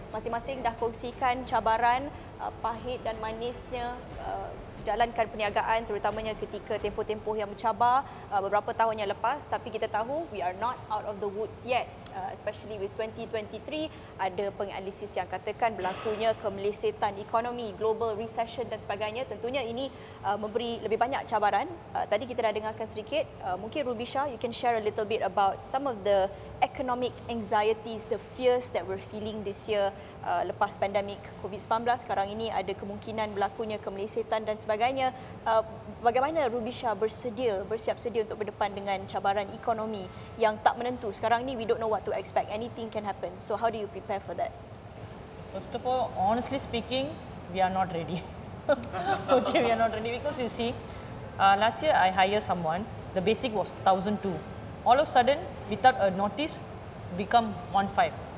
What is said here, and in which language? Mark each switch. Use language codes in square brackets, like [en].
[ms] Masing-masing dah kongsikan cabaran pahit dan manisnya jalankan perniagaan, terutamanya ketika tempoh-tempoh yang mencabar beberapa tahun yang lepas. Tapi kita tahu [en] we are not out of the woods yet. especially with 2023, [ms] ada penganalisis yang katakan berlakunya kemelesetan ekonomi, global recession dan sebagainya. Tentunya ini memberi lebih banyak cabaran. Tadi kita dah dengarkan sedikit. [en] Mungkin Rubisha, you can share a little bit about some of the economic anxieties, the fears that we're feeling this year [ms] lepas pandemik [en] COVID-19. [ms] Sekarang ini ada kemungkinan berlakunya kemelesetan dan sebagainya. Bagaimana Rubisha bersiap sedia untuk berdepan dengan cabaran ekonomi yang tak menentu? Sekarang ini, [en] we don't know what to expect. Anything can happen. So, how do you prepare for that? First of all, honestly speaking, we are not ready. Okay, we are not ready because you see, last year I hired someone, the basic was 1,002. All of a sudden, without a notice, become 1,500.